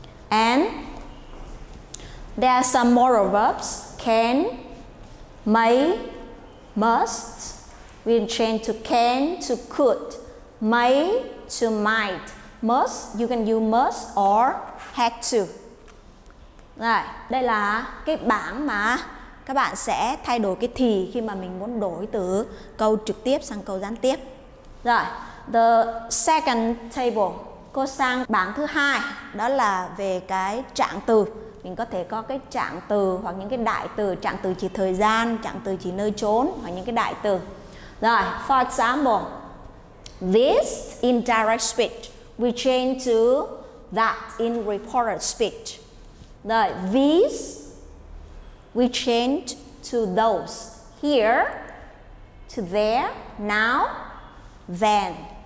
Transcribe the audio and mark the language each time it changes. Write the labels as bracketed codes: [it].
[en] And there are some more verbs, can, may, must. We can change to can, to could, may, to might, must, you can use must or had to. [vi] Rồi, đây là cái bảng mà các bạn sẽ thay đổi cái thì khi mà mình muốn đổi từ câu trực tiếp sang câu gián tiếp. Rồi, [en] the second table, [vi] cô sang bảng thứ hai, đó là về cái trạng từ. Mình có thể có cái trạng từ hoặc những cái đại từ, trạng từ chỉ thời gian, trạng từ chỉ nơi chốn hoặc những cái đại từ. [en] Rồi, for example, this in direct speech, we change to that in reported speech. Rồi, these, we change to those. Here, to there, now, then.